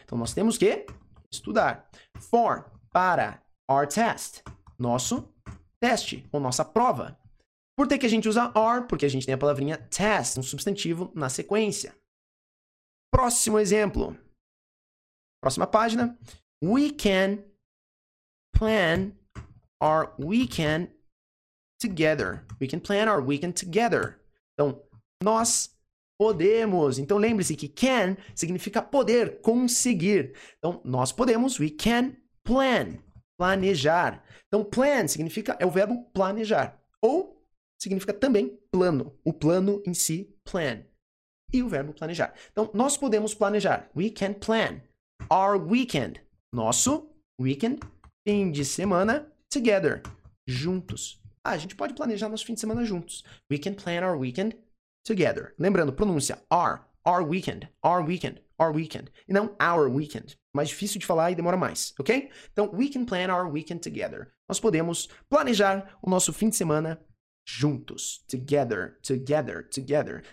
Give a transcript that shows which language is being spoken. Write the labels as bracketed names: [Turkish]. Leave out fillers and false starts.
[Portuguese] Então, nós temos que estudar. For, para [English] our test, [Portuguese] nosso teste ou nossa prova. Por que que a gente usa are? Porque a gente tem a palavrinha test, um substantivo na sequência. Próximo exemplo. Próxima página. [English] We can plan our weekend together. We can plan our weekend together. [Portuguese] Então, nós podemos. Então, lembre-se que can significa poder, conseguir. Então, nós podemos. [English] We can plan. [Portuguese] Planejar. Então, plan significa, é o verbo planejar. Ou significa também plano. O plano em si, plan. E o verbo planejar. Então, nós podemos planejar. [English] We can plan our weekend. [Portuguese] Nosso weekend, fim de semana, together, juntos. Ah, a gente pode planejar nosso fim de semana juntos. [English] We can plan our weekend together. [Portuguese] Lembrando, pronúncia [English] our weekend, our weekend, our weekend. [Portuguese] E não [English] our weekend. [Portuguese] Mais difícil de falar e demora mais, ok? [English] Então, we can plan our weekend together. [Portuguese] Nós podemos planejar o nosso fim de semana juntos. [English] Together, together, together.